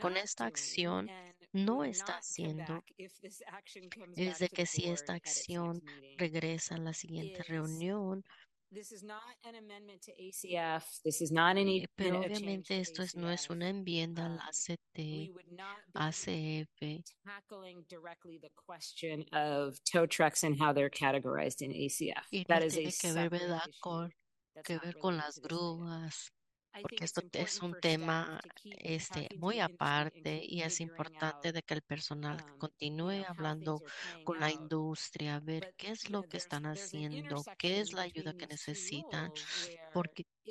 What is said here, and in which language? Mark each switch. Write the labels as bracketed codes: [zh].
[es] Con esta acción no está haciendo es de que si esta acción regresa a la siguiente reunión. [en] This is not an amendment to ACF. This is not any. [es] Pero obviamente esto es, no es una enmienda al ACT, ACF. [en] Tackling directly the question of tow trucks and how they're categorized in ACF. [es] Y [en] that is [es] tiene que ver, ¿verdad? Que ver con las grúas. Porque esto es un tema muy aparte y es importante de que el personal continúe hablando con la industria, ver qué es lo que están haciendo, qué es la ayuda que necesitan, porque